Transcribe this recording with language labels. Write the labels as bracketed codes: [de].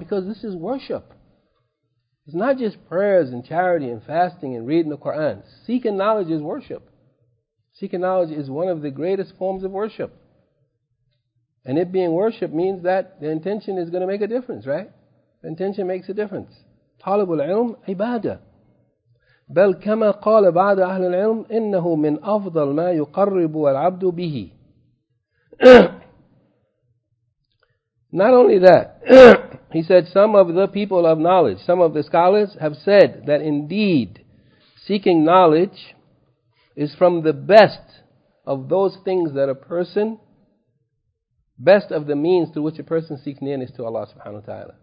[en] Because this is worship. It's not just prayers and charity and fasting and reading the Quran. Seeking knowledge is worship. Seeking knowledge is one of the greatest forms of worship. And it being worship means that the intention is going to make a difference, right? The intention makes a difference. [ar] طالب العلم عبادة. بل كما قال بعض أهل العلم إنه من أفضل ما يقرب العبد به. [en] Not only that, he said some of the people of knowledge, some of the scholars have said that indeed seeking knowledge is from the best of those things that a person, best of the means to which a person seeks nearness to Allah subhanahu wa ta'ala.